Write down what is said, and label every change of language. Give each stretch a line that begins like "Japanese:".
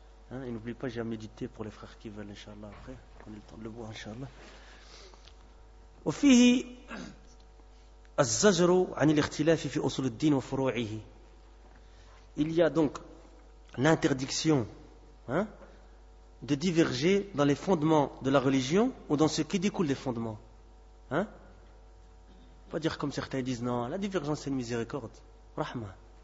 French: Hein, et n'oublie pas, j'ai à méditer pour les frères qui veulent, Inch'Allah, après, qu'on ait le temps de le voir, Inch'Allah.
Arabic: وفيه الزجر عن الاختلاف في أصول الدين وفروعه.
French: Il y a donc l'interdiction, hein, de diverger dans les fondements de la religion ou dans ce qui découle des fondements. Hein? Pas dire comme certains disent, non, la divergence c'est une miséricorde. Rahma.